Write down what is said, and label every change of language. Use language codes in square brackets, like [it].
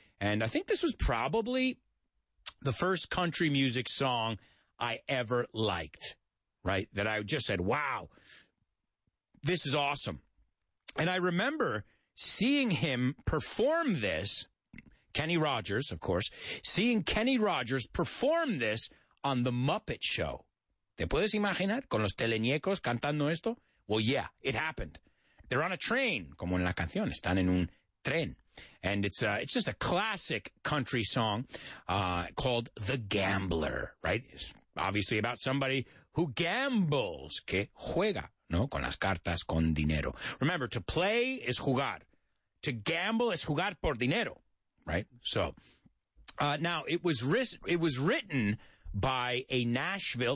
[en] And I think this was probably the first country music song I ever liked, right? That I just said, wow, this is awesome. And I remember seeing him perform this, Kenny Rogers, of course, seeing Kenny Rogers perform this on The Muppet Show. [es] ¿Te puedes imaginar con los teleñecos cantando esto? [en] Well, yeah, it happened. They're on a train, [es] como en la canción, están en un tren. [en] And it's just a classic country song called The Gambler, right? It's obviously about somebody who gambles, [es] que juega, ¿no? Con las cartas, con dinero. [en] Remember, to play is [es] jugar. [en] To gamble is [es] jugar por dinero, [en] right? So, now, it was written by a Nashville.